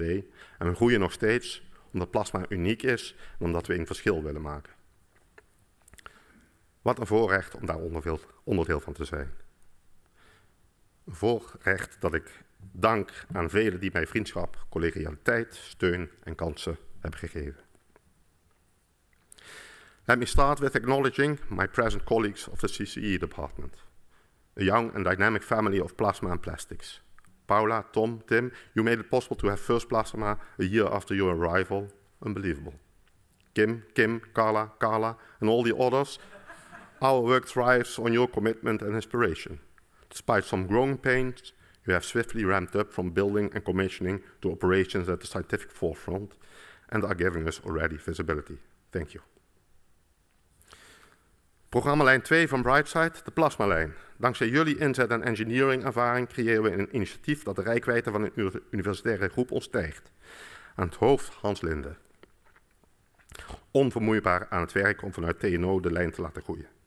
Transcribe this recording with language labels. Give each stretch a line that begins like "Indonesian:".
Dutch: En we groeien nog steeds, omdat plasma uniek is en omdat we een verschil willen maken. Wat een voorrecht om daar onderdeel van te zijn. Een voorrecht dat ik dank aan velen die mij vriendschap, collegialiteit, steun en kansen hebben gegeven.
English: Let me start with acknowledging my present colleagues of the CCE department. A young and dynamic family of plasma and plastics. Paula, Tom, Tim, you made it possible to have first plasma a year after your arrival. Unbelievable. Kim, Carla, and all the others, our work thrives on your commitment and inspiration. Despite some growing pains, you have swiftly ramped up from building and commissioning to operations at the scientific forefront and are giving us already visibility. Thank you.
Dutch: Programma lijn 2 van Brightside, de plasmalijn. Dankzij jullie inzet en engineeringervaring creëren we een initiatief dat de rijkwijde van een universitaire groep ontstijgt. Aan het hoofd Hans Linde. Onvermoeibaar aan het werk om vanuit TNO de lijn te laten groeien.